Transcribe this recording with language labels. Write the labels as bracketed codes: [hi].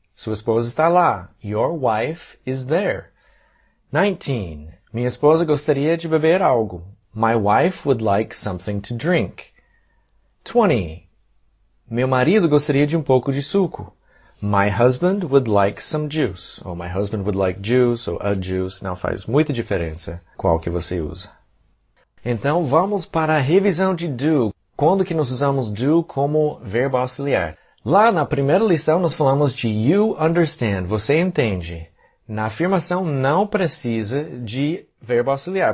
[pt] Sua esposa está lá. [en] Your wife is there. [pt] 19. Minha esposa gostaria de beber algo. [en] My wife would like something to drink. 20. [pt] Meu marido gostaria de um pouco de suco. [en] My husband would like some juice. Ou my husband would like juice, ou a juice. [pt] Não faz muita diferença qual que você usa. Então, vamos para a revisão de do. Quando que nós usamos do como verbo auxiliar? Lá na primeira lição, nós falamos de [en] you understand. [pt] Você entende. Na afirmação, não precisa de verbo auxiliar.